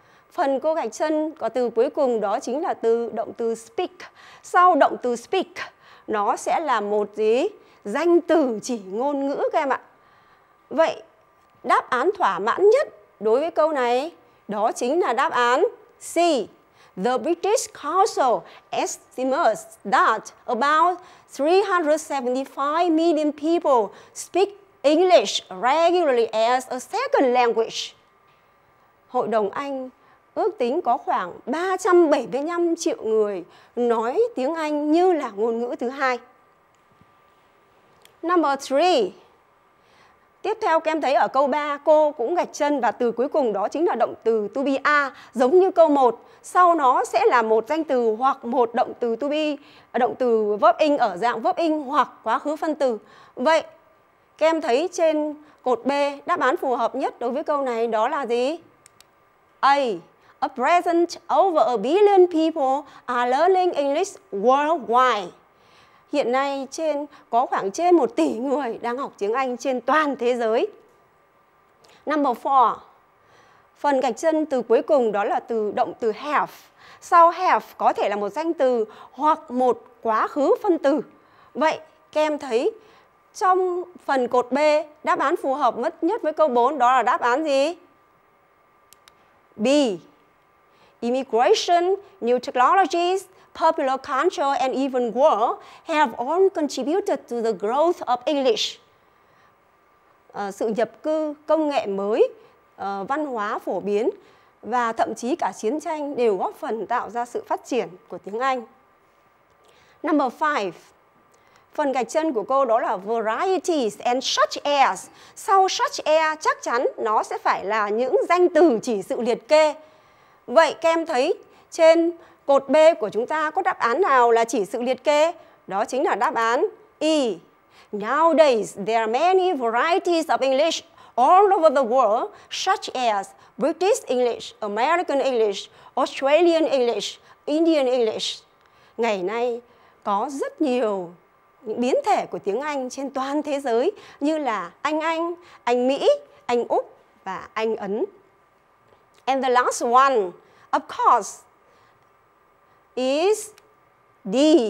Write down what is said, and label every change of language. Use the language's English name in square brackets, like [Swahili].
[Vietnamese] Phần cô gạch chân có từ cuối cùng đó chính là từ động từ speak. Sau động từ speak, nó sẽ là một gì? Danh từ chỉ ngôn ngữ các em ạ. Vậy, đáp án thỏa mãn nhất đối với câu này đó chính là đáp án C. [English] The British Council estimates that about 375 million people speak English regularly as a second language. [Vietnamese] Hội đồng Anh ước tính có khoảng 375 triệu người nói tiếng Anh như là ngôn ngữ thứ hai. [English] Number 3. [Vietnamese] Tiếp theo các em thấy ở câu 3, cô cũng gạch chân và từ cuối cùng đó chính là động từ to be a, giống như câu 1. Sau nó sẽ là một danh từ hoặc một động từ to be, động từ verb in ở dạng verb in hoặc quá khứ phân từ. Vậy, các em thấy trên cột B, đáp án phù hợp nhất đối với câu này đó là gì? [English] A. A present over a billion people are learning English worldwide. [Vietnamese] Hiện nay trên có khoảng trên 1 tỷ người đang học tiếng Anh trên toàn thế giới. [English] Number 4. [Vietnamese] Phần gạch chân từ cuối cùng đó là từ động từ have. Sau have có thể là một danh từ hoặc một quá khứ phân từ. Vậy các em thấy trong phần cột B, đáp án phù hợp nhất với câu 4 đó là đáp án gì? [English] B. Immigration, new technologies, popular culture and even war have all contributed to the growth of English. [Vietnamese] Sự nhập cư, công nghệ mới, văn hóa phổ biến và thậm chí cả chiến tranh đều góp phần tạo ra sự phát triển của tiếng Anh. [English] Number 5. [Vietnamese] Phần gạch chân của cô đó là varieties and such as. Sau such as chắc chắn nó sẽ phải là những danh từ chỉ sự liệt kê. Vậy các em thấy trên cột B của chúng ta có đáp án nào là chỉ sự liệt kê? Đó chính là đáp án E. [English] Nowadays, there are many varieties of English all over the world, such as British English, American English, Australian English, Indian English. [Vietnamese] Ngày nay, có rất nhiều những biến thể của tiếng Anh trên toàn thế giới như là Anh, Anh Mỹ, Anh Úc và Anh Ấn. [English] And the last one, of course, is D.